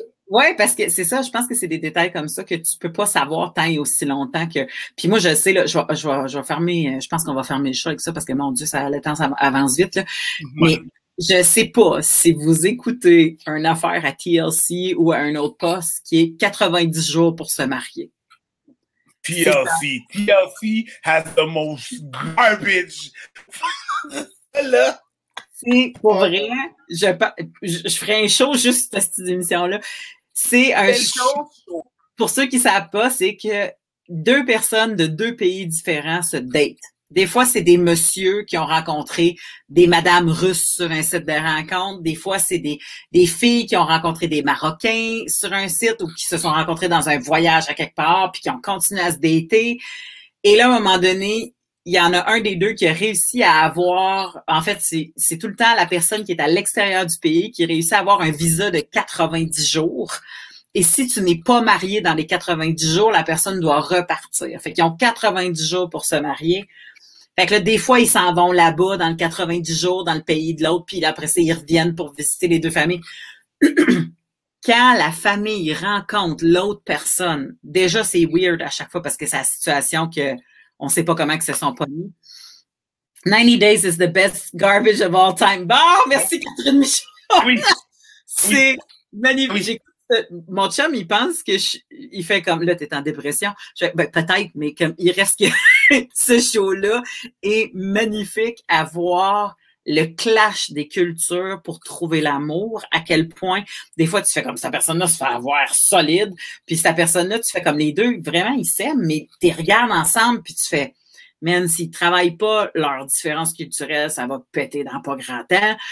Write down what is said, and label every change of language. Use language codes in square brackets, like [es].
[fr] Ouais, parce que c'est ça, je pense que c'est des détails comme ça que tu peux pas savoir tant et aussi longtemps que. Puis moi, je sais, là, je vais fermer, je pense qu'on va fermer le show avec ça parce que mon Dieu, ça, le temps ça avance vite. Là. Mais je sais pas si vous écoutez une affaire à TLC ou à un autre poste qui est 90 jours pour se marier. TLC. [en] TLC has the most garbage. [fr] Là. C'est pour vrai. Je ferai un show juste à cette émission-là. C'est un show. Pour ceux qui ne savent pas, c'est que deux personnes de deux pays différents se datent. Des fois, c'est des messieurs qui ont rencontré des madames russes sur un site de rencontre. Des fois, c'est des filles qui ont rencontré des Marocains sur un site ou qui se sont rencontrés dans un voyage à quelque part puis qui ont continué à se dater. Et là, à un moment donné, il y en a un des deux qui a réussi à avoir... En fait, c'est tout le temps la personne qui est à l'extérieur du pays qui réussit à avoir un visa de 90 jours. Et si tu n'es pas marié dans les 90 jours, la personne doit repartir. Fait qu'ils ont 90 jours pour se marier. Fait que là, des fois, ils s'en vont là-bas dans les 90 jours, dans le pays de l'autre, puis après ça, ils reviennent pour visiter les deux familles. Quand la famille rencontre l'autre personne, déjà, c'est weird à chaque fois parce que c'est la situation qu'on ne sait pas comment que se sont pas mis. [en] 90 days is the best garbage of all time. [fr] Bon, merci Catherine Michaud! Oui. C'est oui. Magnifique. Oui. Mon chum, il pense que il fait comme, là, t'es en dépression. Je fais, ben, peut-être, mais comme, il reste que ce show-là est magnifique à voir le clash des cultures pour trouver l'amour, à quel point, des fois, tu fais comme, cette personne-là se fait avoir solide, puis cette personne-là, tu fais comme les deux, vraiment, ils s'aiment, mais t'es regardes ensemble, puis tu fais, man, s'ils travaillent pas leur différence culturelle, ça va péter dans pas grand temps.